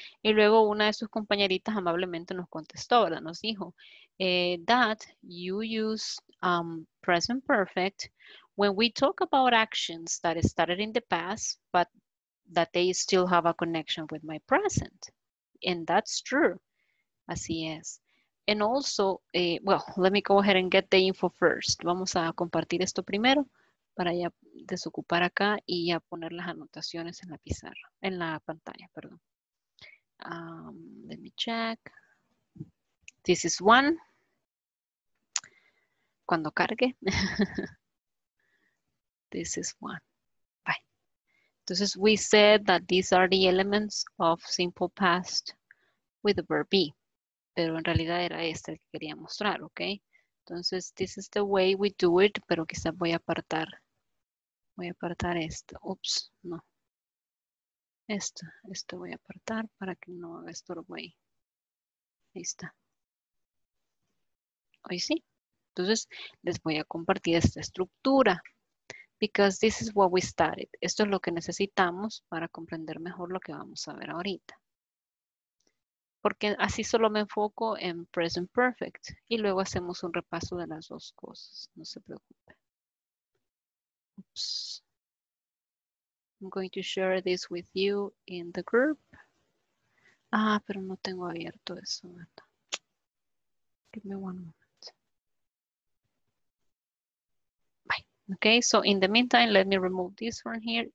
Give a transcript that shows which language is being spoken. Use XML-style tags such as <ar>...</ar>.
<es>Y luego una de sus compañeritas amablemente nos contestó, ¿verdad? Nos dijo,</es> <en>that you use present perfect when we talk about actions that started in the past, but that they still have a connection with my present. And that's true.</en> <es>Así es.</es> <en>And also, well, let me go ahead and get the info first.</en> <es>Vamos a compartir esto primero para ya desocupar acá y ya poner las anotaciones en la pizarra, en la pantalla, perdón.</es> <en>Let me check. This is one.</en> <es>Cuando cargue.</es> <en>This is one. Entonces, we said that these are the elements of simple past with the verb be.</en> <es>Pero en realidad era este el que quería mostrar, ¿ok? Entonces,</es> <en>this is the way we do it,</en> <es>pero quizás voy a apartar esto. Oops, no. Esto voy a apartar para que no haga estorbo ahí. Ahí está. Ahí sí. Entonces, les voy a compartir esta estructura.</es> <en>Because this is what we started.</en> <es>Esto es lo que necesitamos para comprender mejor lo que vamos a ver ahorita. Porque así solo me enfoco en present perfect. Y luego hacemos un repaso de las dos cosas. No se preocupe. Oops.</es> <en>I'm going to share this with you in the group.</en> <es>Ah, pero no tengo abierto eso.</es> <en>Give me one moment. Okay, so in the meantime, let me remove this from here.</en>